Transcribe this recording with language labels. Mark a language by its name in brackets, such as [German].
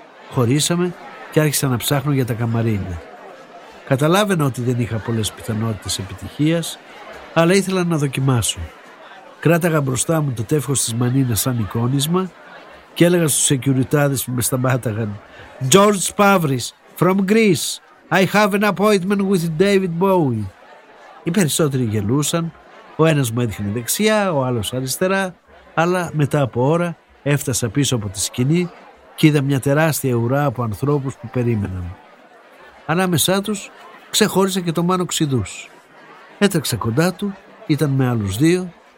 [Greek] Χωρίσαμε και άρχισα να ψάχνω για τα καμαρίνια. Καταλάβαινα ότι δεν είχα πολλές πιθανότητες επιτυχίας, αλλά ήθελα να δοκιμάσω. Κράταγα μπροστά μου το τεύχος της Μανίνας σαν εικόνισμα και έλεγα στους σεκιουριτάδες που με σταμάταγαν: [English] George Pavris, from Greece. I have an appointment with David Bowie. [Greek] Οι περισσότεροι γελούσαν. Ο ένας μου έδειχνε δεξιά, ο άλλος αριστερά. Αλλά μετά από ώρα έφτασα πίσω από τη σκηνή και είδα μια τεράστια ουρά από ανθρώπους που περίμεναν. Ανάμεσά τους ξεχώρισα και τον Μάνο Ξηδούς. Έτρεξα κοντά του, ήταν με άλλους δύο.